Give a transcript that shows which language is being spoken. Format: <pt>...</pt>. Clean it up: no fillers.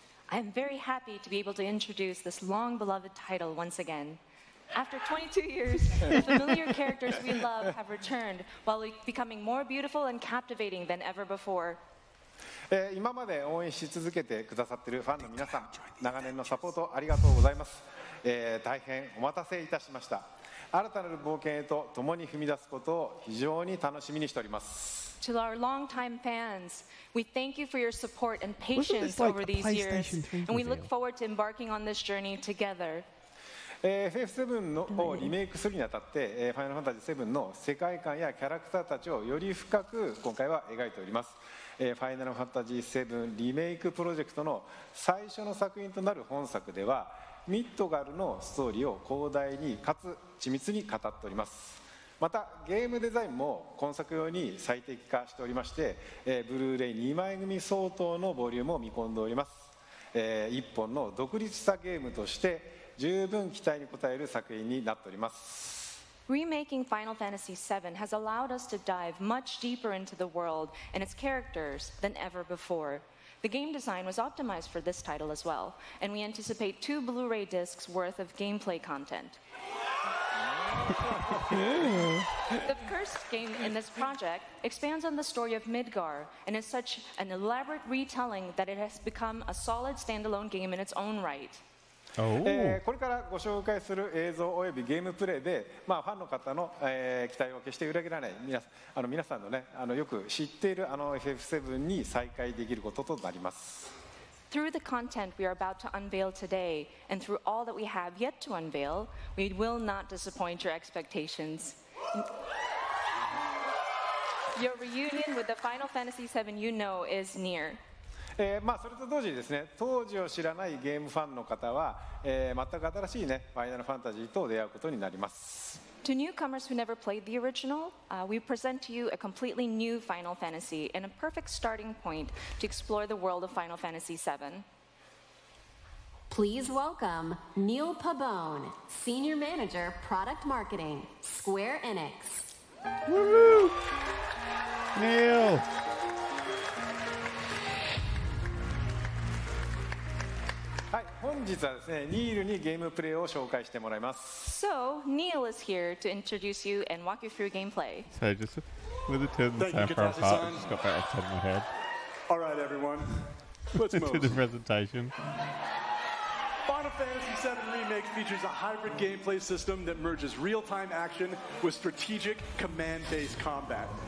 <en>I'm very happy to be able to introduce this long beloved title once again. After 22 years, the familiar characters we love have returned while becoming more beautiful and captivating than ever before.</en> <ja>今まで応援し続けてくださっているファンの皆さん、長年のサポートありがとうございます。大変お待たせいたしました。新たなる冒険へと共に踏み出すことを非常に楽しみにしております。</ja> <en>To our long-time fans, we thank you for your support and patience over these years, and we look forward to embarking on this journey together.</en> <ja>FF7 をリメイクするにあたって、ファイナルファンタジー7の世界観やキャラクターたちをより深く今回は描いております。ファイナルファンタジー7リメイクプロジェクトの最初の作品となる本作では、ミッドガルのストーリーを広大にかつ緻密に語っております。またゲームデザインも今作用に最適化しておりまして、ブルーレイ2枚組相当のボリュームを見込んでおります。一本の独立したゲームとして十分期待に応える作品になっております。</ja> <en>Remaking Final Fantasy VII has allowed us to dive much deeper into the world and its characters than ever before. The game design was optimized for this title as well, and we anticipate two Blu-ray discs worth of gameplay content. The first game in this project expands on the story of Midgar, and is such an elaborate retelling that it has become a solid standalone game in its own right.</en> <ja>これからご紹介する映像およびゲームプレイで、まあ、ファンの方の、期待を決して裏切らない皆さんの、ね、よく知っているFF7 に再会できることとなります。</ja> <en>Through the content we are about to unveil today, and through all that we have yet to unveil, we will not disappoint your expectations. Your reunion with the Final Fantasy VII you know is near.</en> <ja>まあ、それと同時にですね、当時を知らないゲームファンの方は、全く新しいね、ファイナルファンタジーと出会うことになります。</ja> <en>To newcomers who never played the original, we present to you a completely new Final Fantasy and a perfect starting point to explore the world of Final Fantasy VII. Please welcome Neil Pabon, Senior Manager, Product Marketing, Square Enix. Woohoo! Neil!</en> <ja>はい、本日はですね、ニールにゲームプレイを紹介してもらいます。</ja> <en>So, Neil is here to introduce you and walk you through gameplay. So, just with the turn of the sound for our part, I just got that off the top of my head. All right, everyone. to the presentation. Final Fantasy VII Remake features a hybrid gameplay system that merges real-time action with strategic command-based combat.</en>